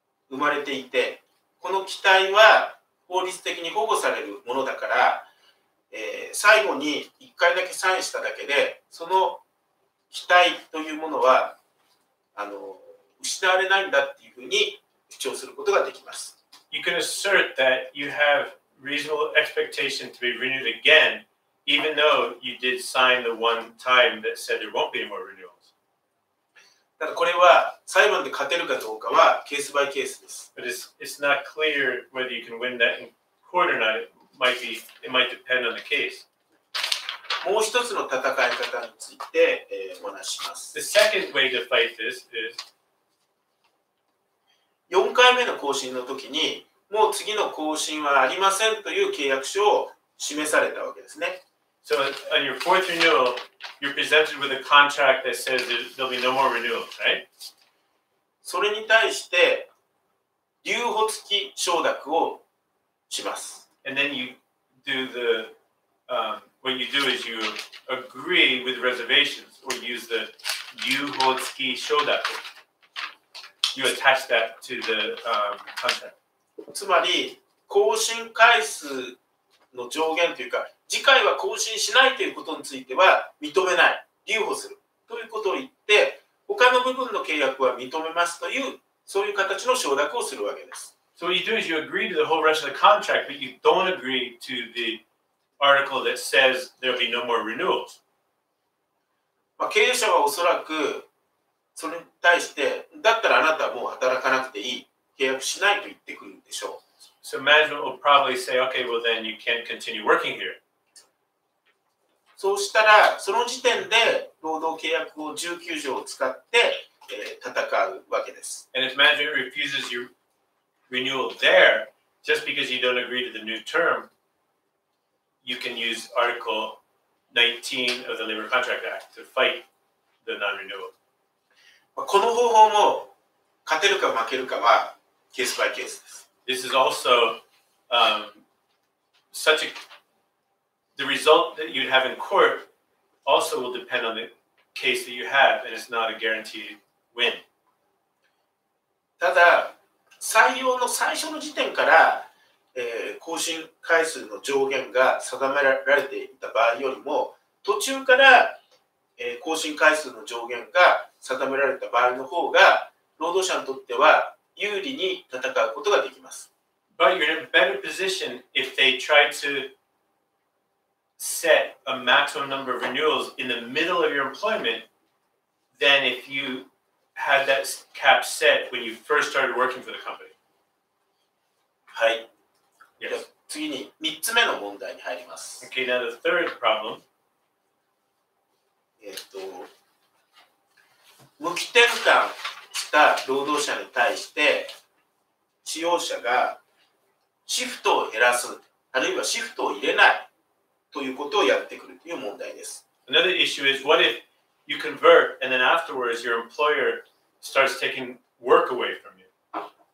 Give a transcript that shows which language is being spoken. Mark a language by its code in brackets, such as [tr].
[ja] 生まれていて、この期待は法律的に保護されるものだから、最後に1回だけサインしただけでその期待というものは失われないんだっていうふうに主張することができます。 [en] You can assert that you have reasonable expectation to be renewed againeven though you did sign the one time that said there won't be any more renewals. [ja] ただこれは裁判で勝てるかどうかはケースバイケースです。 [en] But it's not clear whether you can win that in court or not. It might depend on the case. [ja] もう一つの戦い方について、お話します。 [en] The second way to fight this is [ja] 4回目の更新の時にもう次の更新はありませんという契約書を示されたわけですね。 [en] So on your fourth renewal, you're presented with a contract that says there'll be no more renewal, right? [ja] それに対して留保付き承諾をします。 [en] And then you do the, what you do is you agree with reservations or use the 留保付き承諾。 You attach that to the contract. [ja] つまり更新回数の上限というか、次回は更新しないということについては認めない、留保するということを言って、他の部分の契約は認めますという、そういう形の承諾をするわけです。 [en] So what you do is you agree to the whole rest of the contract, but you don't agree to the article that says there'll be no more renewals. [ja] 経営者はおそらくそれに対して、だったらあなたはもう働かなくていい、契約しないと言ってくるんでしょう。 [en] So management will probably say, okay, well then you can't continue working here. [ja] そうしたら、その時点で労働契約を19条を使って、戦うわけです。 [en] And if management refuses your renewal there, just because you don't agree to the new term, you can use Article 19 of the Labor Contract Act to fight the non-renewal. [ja] この方法も勝てるか負けるかはケースバイケースです。 [en] This is also such a... The result that you'd have in court also will depend on the case that you have, and it's not a guaranteed win. [ja] ただ、採用の最初の時点から、更新回数の上限が定められていた場合よりも、途中から、更新回数の上限が定められた場合の方が、労働者にとっては有利に戦うことができます。 [en] But you're in a better position if they try to set a maximum number of renewals in the middle of your employment than if you had that cap set when you first started working for the company. [ja] はい。 [en] Yes. [ja] 次に3つ目の問題に入ります。 [en] Okay, now the third problem. [ja] 無期転換した労働者に対して使用者がシフトを減らす、あるいはシフトを入れないということをやってくるという問題です。 [en] Another issue is what if you convert and then afterwards your employer starts taking work away from you?